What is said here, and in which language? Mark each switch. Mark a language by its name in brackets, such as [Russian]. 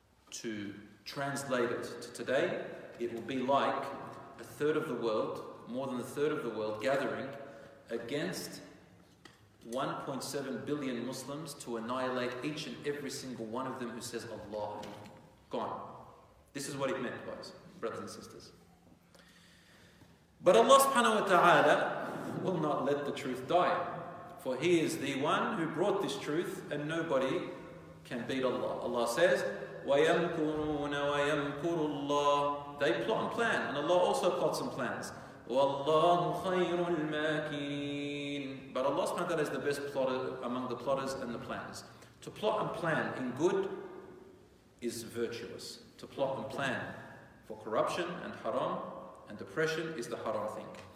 [English] To translate it to today, it will be like a third of the world, more than a third of the world, gathering against 1.7 billion Muslims to annihilate each and every single one of them who says Allah. Gone. This is what it meant, guys, brothers and sisters. But Allah subhanahu wa ta'ala will not let the truth die. For He is the one who brought this truth, and nobody can beat Allah. Allah says, [Arabic] وَيَمْكُرُونَ وَيَمْكُرُ اللَّهِ. [English] They plot and plan, and Allah also plots and plans. [Arabic] وَاللَّهُ خَيْرُ الْمَاكِينَ. [English] But Allah subhanahu wa ta'ala is the best plotter among the plotters and the planners. To plot and plan in good is virtuous. To plot and plan for corruption and haram, and oppression is the haram thing.